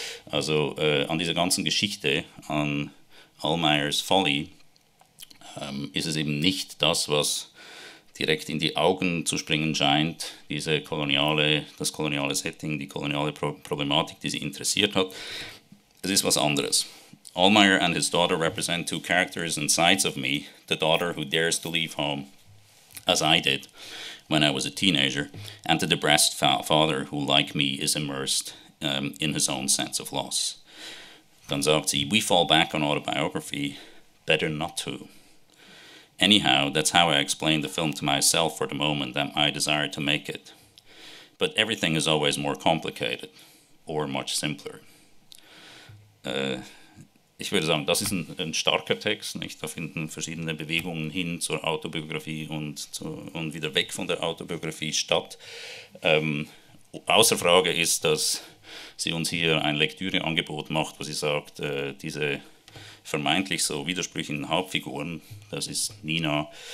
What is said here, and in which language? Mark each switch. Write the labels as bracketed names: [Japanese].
[German] Also an dieser ganzen Geschichte, an Almayers Folly, ist es eben nicht das, was direkt in die Augen zu springen scheint, das koloniale Setting, die koloniale Problematik, die sie interessiert hat. Es ist was anderes. [English] Almayer and his daughter represent 2 characters and sides of me, the daughter who dares to leave home, as I did when I was a teenager, and the depressed father who, like me, is immersed in his own sense of loss. [German] Dann sagt sie, [English] we fall back on autobiography, better not to. Anyhow, that's how I explain the film to myself for the moment and my desire to make it. But everything is always more complicated, or much simpler. [German] ich würde sagen, das ist ein starker Text. Nicht? Da finden verschiedene Bewegungen hin zur Autobiografie und wieder weg von der Autobiografie statt. Außer Frage ist, dass sie uns hier ein Lektüreangebot macht, wo sie sagt, diese vermeintlich so widersprüchlichen Hauptfiguren, das ist Nina,